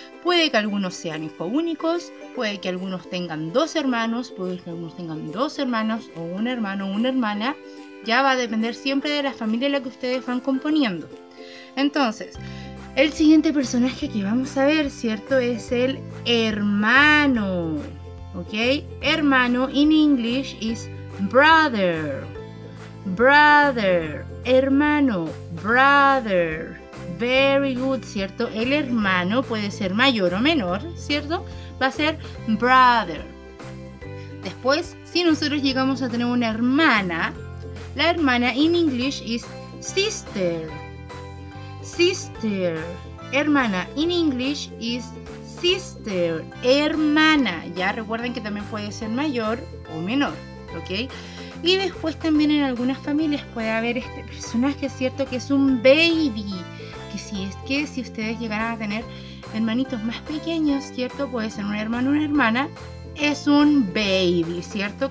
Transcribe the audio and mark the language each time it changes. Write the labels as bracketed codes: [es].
[es] Puede que algunos sean hijos únicos, puede que algunos tengan dos hermanos, puede que algunos tengan dos hermanos o un hermano o una hermana. Ya va a depender siempre de la familia en la que ustedes van componiendo. Entonces, el siguiente personaje que vamos a ver, ¿cierto? Es el hermano, ¿ok? [en] Hermano in English is brother. Brother, hermano, brother. Very good, [es] ¿cierto? El hermano puede ser mayor o menor, ¿cierto? [en] Va a ser brother. [es] Después, si nosotros llegamos a tener una hermana, la hermana [en] in English is sister. Sister. Hermana in English is sister. [es] Hermana. Ya recuerden que también puede ser mayor o menor, ¿ok? Y después también en algunas familias puede haber este personaje, ¿cierto? Que es un baby. Que si es que si ustedes llegaran a tener hermanitos más pequeños, ¿cierto? Puede ser un hermano o una hermana. Es un baby, ¿cierto?